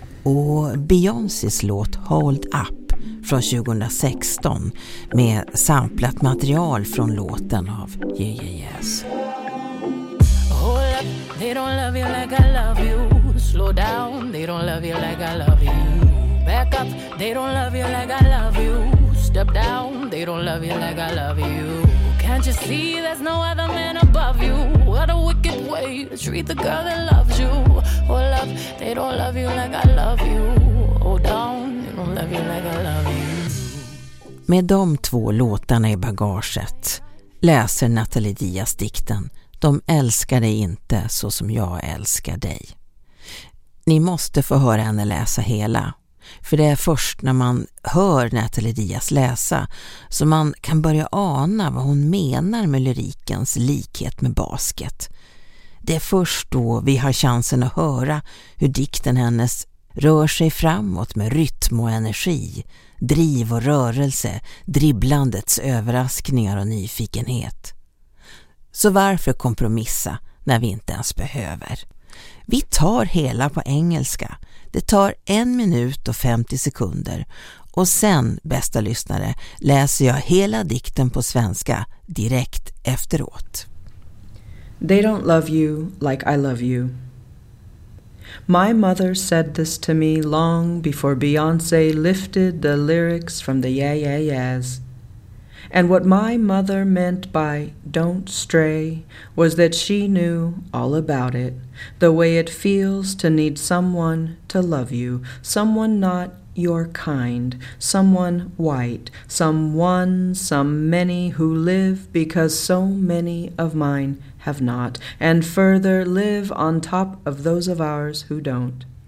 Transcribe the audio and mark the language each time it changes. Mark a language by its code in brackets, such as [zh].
[sv] Och Beyoncés låt Hold Up från 2016 med samplat material från låten av J.J.S. [en] They don't love you like I love you. Slow down, they don't love you like I love you. Back up, they don't love you like I love you. Step down, they don't love you like I love you. Can't you see there's no other man above you? What a wicked way to treat the girl that loves you. Oh love, they don't love you like I love you. Hold down, they don't love you like I love you. [sv] Med de två låtarna i bagaget läser Nathalie Diaz dikten De älskar dig inte så som jag älskar dig. Ni måste få höra henne läsa hela. För det är först när man hör Nathalie Diaz läsa så man kan börja ana vad hon menar med lyrikens likhet med basket. Det är först då vi har chansen att höra hur dikten hennes rör sig framåt med rytm och energi, driv och rörelse, dribblandets överraskningar och nyfikenhet. Så varför kompromissa när vi inte ens behöver? Vi tar hela på engelska. Det tar 1 minut och 50 sekunder. Och sen, bästa lyssnare, läser jag hela dikten på svenska direkt efteråt. [en] They don't love you like I love you. My mother said this to me long before Beyoncé lifted the lyrics from the Yeah Yeah Yeahs. And what my mother meant by don't stray was that she knew all about it, the way it feels to need someone to love you, someone not your kind, someone white, someone, some many who live because so many of mine have not, and further live on top of those of ours who don't.